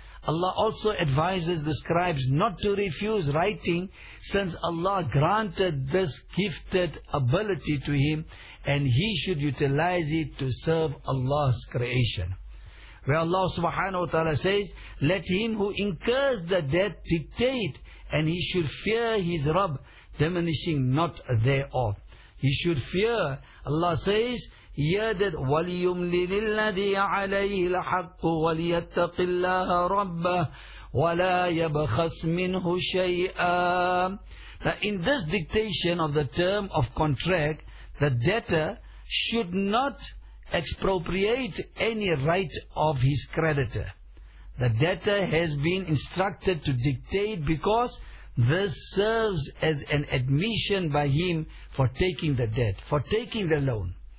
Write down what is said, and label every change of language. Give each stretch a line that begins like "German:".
English: Allah also advises the scribes not to refuse writing, since Allah granted this gifted ability to him, and he should utilize it to serve Allah's creation. Where Allah subhanahu wa ta'ala says, let him who incurs the debt dictate, and he should fear his Rabb, diminishing not thereof. He should fear. Allah says,
Arabic: يَدَدْ وَلْيُمْلِلِ الَّذِي عَلَيْهِ الْحَقُّ وَلْيَتَّقِ اللَّهَ رَبَّهُ وَلَا يَبْخَسْ مِنْهُ شَيْئًا.
English: Now in this dictation of the term of contract, the debtor should not expropriate any right of his creditor. The debtor has been instructed to dictate because this serves as an admission by him for taking the debt, for taking the loan.